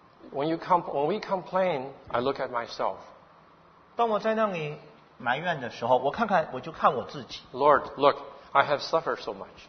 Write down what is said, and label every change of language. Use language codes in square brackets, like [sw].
[en] When we complain, I look at myself. [zh] 当我在那里埋怨的时候，我就看我自己。 [en] Lord, look, I have suffered so much.